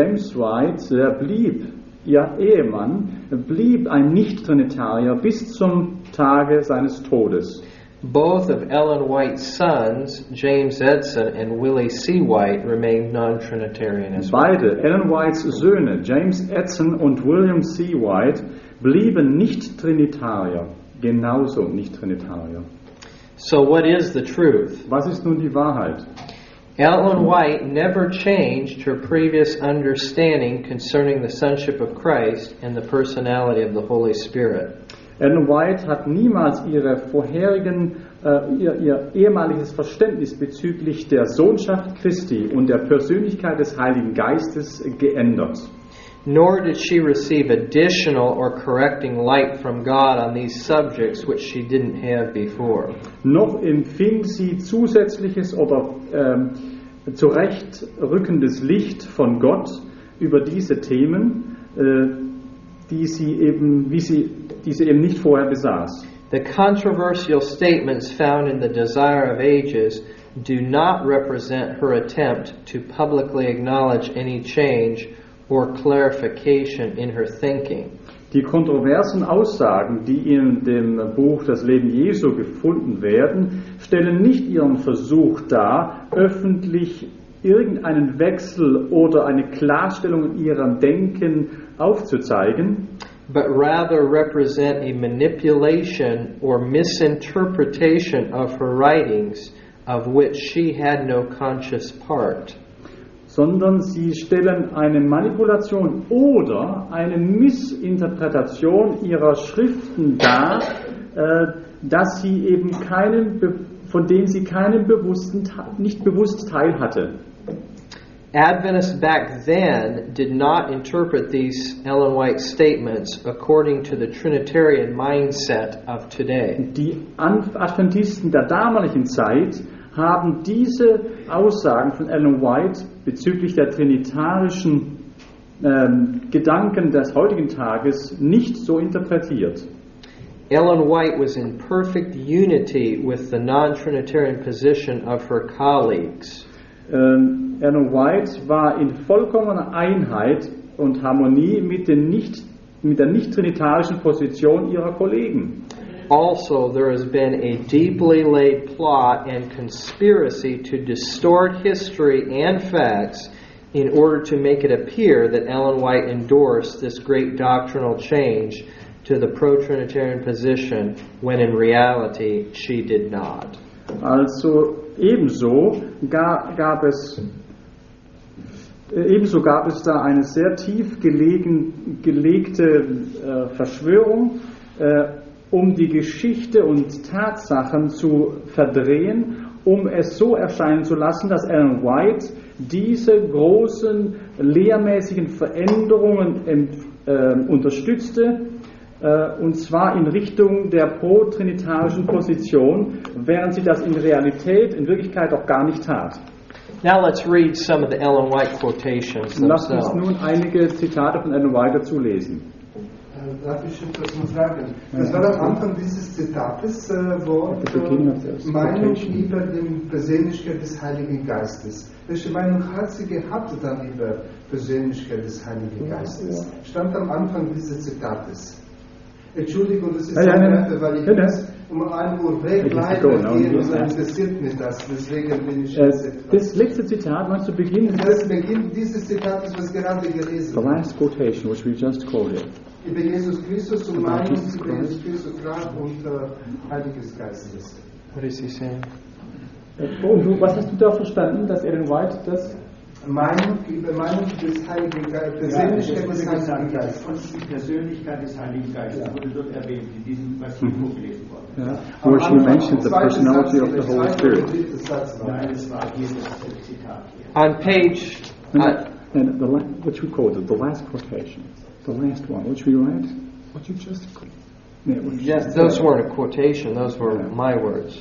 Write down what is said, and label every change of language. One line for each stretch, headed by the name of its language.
German: James White, er blieb, ihr Ehemann, blieb ein Nicht-Trinitarier bis zum Tage seines Todes.
English: Both of Ellen White's sons, James Edson and Willie C. White, remained non-trinitarian as well.
German: Beide, Ellen White's Söhne, James Edson und William C. White, blieben Nicht-Trinitarier, genauso Nicht-Trinitarier.
English: So what is the truth?
German: Was ist nun die Wahrheit?
English: Ellen White never changed her previous understanding concerning the sonship of Christ and the personality of the Holy Spirit.
German: Ellen White hat niemals ihre vorherigen ihr ehemaliges Verständnis bezüglich der Sohnschaft Christi und der Persönlichkeit des Heiligen Geistes geändert.
English: Nor did she receive additional or correcting light from God on these subjects which she didn't have before.
German: Noch empfing sie zusätzliches oder zurechtrückendes Licht von Gott über diese Themen, die sie eben nicht vorher besaß.
English: The controversial statements found in the Desire of Ages do not represent her attempt to publicly acknowledge any change or clarification in her thinking.
German: Die kontroversen Aussagen, die in dem Buch Das Leben Jesu gefunden werden, stellen nicht ihren Versuch dar, öffentlich irgendeinen Wechsel oder eine Klarstellung in ihrem Denken aufzuzeigen,
English: but rather represent a manipulation or misinterpretation of her writings of which she had no conscious part.
German: Sondern sie stellen eine Manipulation oder eine Missinterpretation ihrer Schriften dar, dass sie eben keinen, von denen sie keinen bewussten, nicht bewusst teil hatte.
English: Adventists back then did not interpret these Ellen White statements according to the Trinitarian mindset of today.
German: Die Adventisten der damaligen Zeit haben diese Aussagen von Ellen White bezüglich der trinitarischen Gedanken des heutigen Tages nicht so interpretiert.
English: Ellen White was in perfect unity with the non-Trinitarian position of her colleagues.
German: Ellen White war in vollkommener Einheit und Harmonie mit den nicht-trinitarischen Position ihrer Kollegen.
English: Also, there has been a deeply laid plot and conspiracy to distort history and facts in order to make it appear that Ellen White endorsed this great doctrinal change to the pro-Trinitarian position, when in reality she did not.
German: Also, ebenso gab es da eine sehr tief gelegte Verschwörung, um die Geschichte und Tatsachen zu verdrehen, um es so erscheinen zu lassen, dass Ellen White diese großen lehrmäßigen Veränderungen unterstützte, und zwar in Richtung der pro-trinitarischen Position, während sie das in Realität, in Wirklichkeit auch gar nicht tat.
English: Now let's read some of the Ellen White quotations themselves.
German: Lass uns nun einige Zitate von Ellen White dazu lesen. Darf ich etwas nur fragen? Das war am Anfang dieses Zitates, wo Meinung über die Persönlichkeit des Heiligen Geistes. Welche Meinung hat sie gehabt dann über Persönlichkeit des Heiligen Geistes? Stand am Anfang dieses Zitates. Entschuldigung, das ist eine Sache, weil ich das um 1 Uhr wegleiten gehe, das interessiert mich das. Deswegen bin ich Das letzte Zitat, meinst du, Beginn? Das Beginn dieses Zitates, was gerade gelesen wurde.
English: The last quotation, which we just quoted.
German: Über Jesus Christus und Meinung über Jesus Christus Grab und Heiliges Geistes.
English: What is he saying?
German: Was hast du da verstanden, dass Ellen White das... Meinung des Heiligen Geistes. Persönlichkeit des Heiligen Geistes wurde dort erwähnt, in diesem, was hier vorgelesen worden ist.
English: Where she mentions the personality of the Holy Spirit.
German: Nein, es war hier das Zitat.
English: On page... And the which we called it, the last quotation. The last one, which we read. What you just... Those weren't a quotation, those were my words.